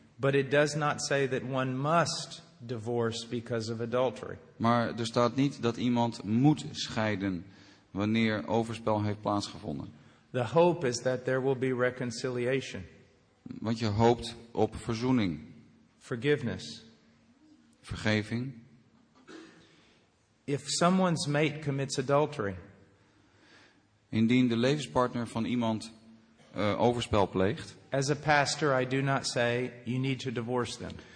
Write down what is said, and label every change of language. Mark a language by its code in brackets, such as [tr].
[en] But it does not say that one must divorce because of adultery. [nl] Maar er staat niet dat iemand moet scheiden wanneer overspel heeft plaatsgevonden. [en] The hope is that there will be reconciliation. [nl] Want je hoopt op verzoening. [en] Forgiveness. [nl] Vergeving. [en] If someone's mate commits adultery. [nl] Indien de levenspartner van iemand overspel pleegt. [en] As a pastor, I do not say you need to divorce them.